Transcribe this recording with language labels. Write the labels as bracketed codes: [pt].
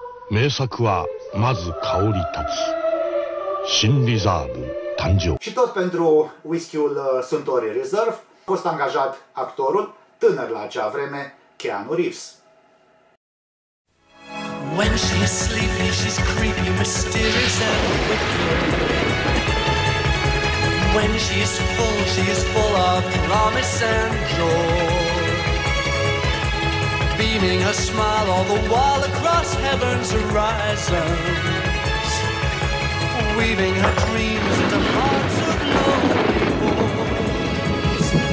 [ja] 名作はまず香り立つ新リザーブ誕生。 [ro] Și tot pentru whisky-ul Suntory Reserve a fost angajat actorul tânăr la acea vreme, Keanu Reeves. [en] When she's sleeping, she's creepy, mysterious and wicked. When she's full, she's full of promise and joy. Beaming a smile all the while across heaven's horizon, weaving her dreams into hearts of known fools.